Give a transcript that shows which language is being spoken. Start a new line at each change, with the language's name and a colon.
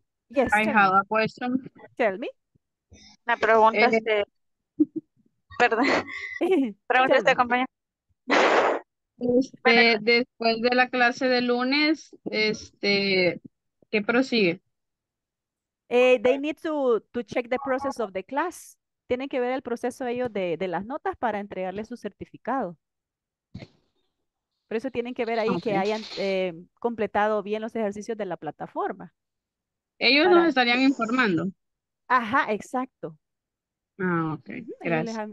English: Yes, I have a question. Tell me.
Spanish: La pregunta es de... Perdón. Pregunta de compañía. Después de la clase de lunes, ¿qué prosigue?
English: They need to check the process of the class.
Spanish: Tienen que ver el proceso ellos de las notas para entregarle su certificado. Por eso tienen que ver ahí que hayan completado bien los ejercicios de la plataforma. Ellos nos estarían informando. Ajá, exacto. Ah, ok. Gracias.